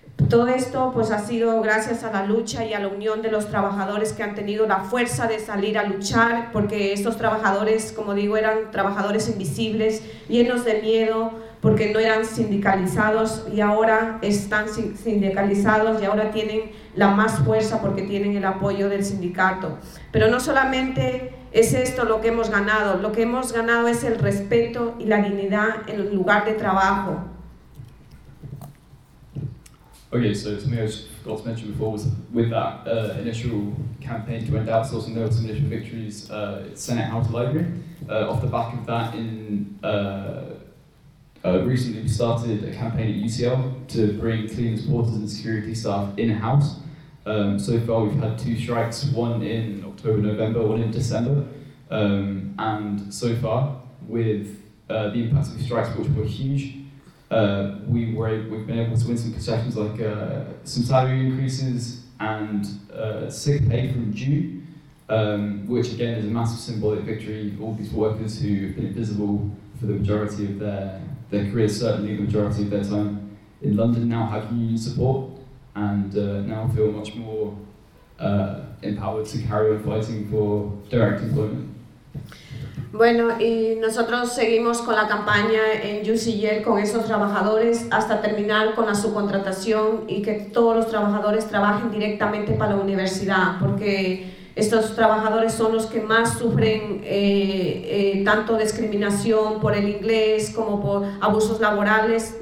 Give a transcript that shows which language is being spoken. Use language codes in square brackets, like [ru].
[es] Todo esto pues, ha sido gracias a la lucha y a la unión de los trabajadores que han tenido la fuerza de salir a luchar, porque estos trabajadores, como digo, eran trabajadores invisibles, llenos de miedo, porque no eran sindicalizados y ahora están sindicalizados y ahora tienen la más fuerza porque tienen el apoyo del sindicato. Pero no solamente es esto lo que hemos ganado es el respeto y la dignidad en el lugar de trabajo. [en] Okay, so something I just forgot to mention before was with that initial campaign to end outsourcing, there were some initial victories at Senate House Library. Off the back of that, recently we started a campaign at UCL to bring cleaners, porters and security staff in-house. So far we've had two strikes, one in October, November, one in December. And so far, with the impact of the strikes, which were huge, we've been able to win some concessions like some salary increases and sick pay from June, which again is a massive symbolic victory. All these workers who have been invisible for the majority of their careers, certainly the majority of their time in London, now have union support and now feel much more empowered to carry on fighting for direct employment. [es] Bueno, y nosotros seguimos con la campaña en UCL con esos trabajadores hasta terminar con la subcontratación y que todos los trabajadores trabajen directamente para la universidad, porque estos trabajadores son los que más sufren tanto discriminación por el inglés como por abusos laborales.